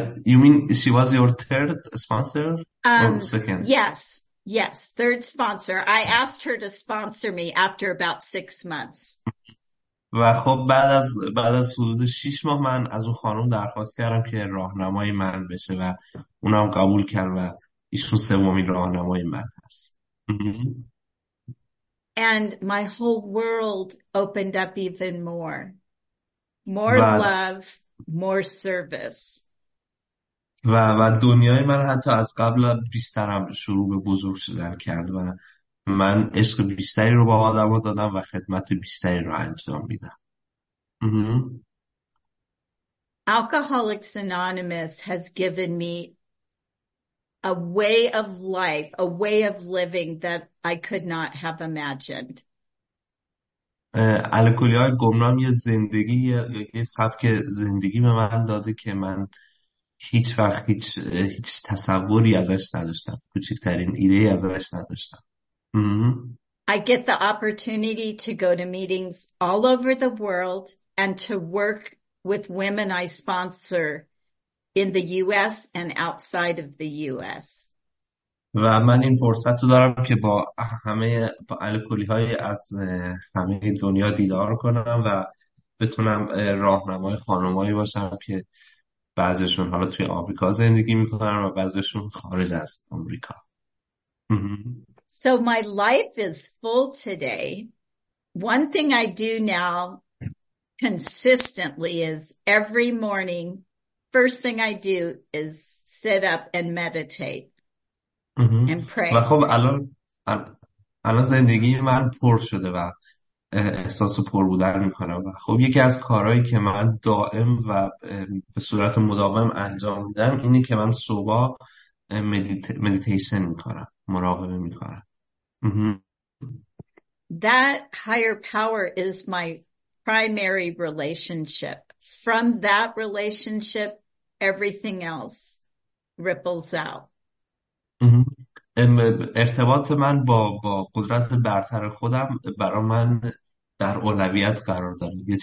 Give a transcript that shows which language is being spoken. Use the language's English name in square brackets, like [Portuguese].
[English] You mean she was your third sponsor or second? Yes, third sponsor. I asked her to sponsor me after about 6 months. [Persian] و خب بعد از حدود 6 ماه من از اون خانم درخواست کردم که راهنمای من بشه و اونم قبول کرد و ایشون سومین راهنمای من هست. [English] And my whole world opened up even more. More love, more service. [Persian] و دنیای من حتی از قبل بیشترم شروع به بزرگ شدن کرد و من عشق بیشتری رو به آدم ها دادم و خدمت بیشتری رو انجام میدم. [English] Alcoholics Anonymous has given me a way of life, a way of living that I could not have imagined. [Persian] الکلی های گمنام یه زندگی، یه سبک زندگی به من داده که من هیچ وقت هیچ تصوری ازش نداشتم، کوچکترین ایده ای ازش نداشتم. [English] I get the opportunity to go to meetings all over the world and to work with women I sponsor in the US and outside of the US. [Persian] و من این فرصت رو دارم که با الکلی های از همه دنیا دیدار کنم و بتونم راهنمای خانمایی باشم که بعضیشون حالا توی آمریکا زندگی میکنن و بعضیشون خارج از آمریکا. [English] So my life is full today. One thing I do now consistently is every morning, first thing I do is sit up and meditate and pray. [Persian] و خب الان زندگی من پر شده و احساس پر بودن میکنم و خب یکی از کارهایی که من دائم و به صورت مداوم انجام میدم اینه که من صبح مدیتیشن میکنم، مراقبه میکنم. [English] That higher power is my primary relationship. From that relationship, everything else ripples out. [Persian] ارتباط من با قدرت برتر خودم برای من در اولویت قرار داره.